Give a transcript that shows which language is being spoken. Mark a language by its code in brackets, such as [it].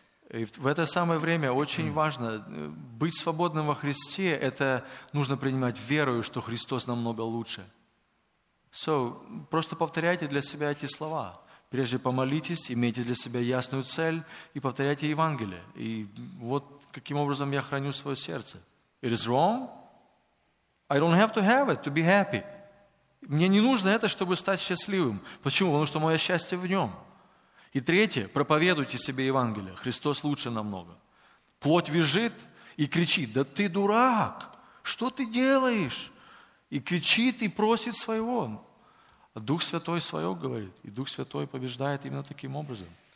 [ru] И в это самое время очень важно быть свободным во Христе, это нужно принимать верою, что Христос намного лучше. So, просто повторяйте для себя эти слова. Прежде помолитесь, имейте для себя ясную цель и повторяйте Евангелие. И вот каким образом я храню свое сердце. [en] It is wrong. I don't have to have it to be happy. [ru] Мне не нужно это, чтобы стать счастливым. Почему? Потому что мое счастье в нем. И третье, проповедуйте себе Евангелие. Христос лучше намного. Плоть визжит и кричит, да ты дурак, что ты делаешь? И кричит, и просит своего. А Дух Святой свое говорит, и Дух Святой побеждает именно таким образом.